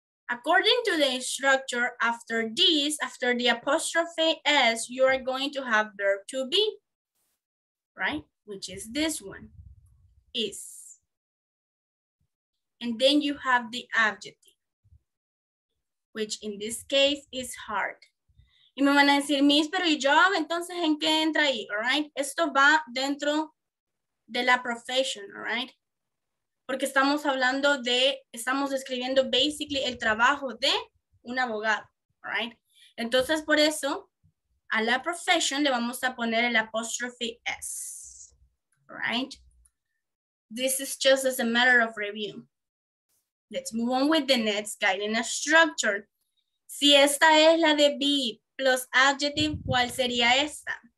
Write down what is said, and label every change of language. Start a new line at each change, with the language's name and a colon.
English: According to the structure, after this, after the apostrophe S, you are going to have verb to be, right? Which is this one, is. And then you have the adjective, which in this case is hard.
Spanish: Y me van a decir, Miss, pero ¿y job? Entonces, ¿en qué entra ahí? All right? Esto va dentro de la profession, all right? Porque estamos hablando de, estamos describiendo basically el trabajo de un abogado, all right? Entonces, por eso, a la profession le vamos a poner el apostrophe S, all right?
English: This is just as a matter of review. Let's move on with the next guiding structure.
Spanish: Si esta es la de
English: be plus adjective,
Spanish: ¿cuál sería esta?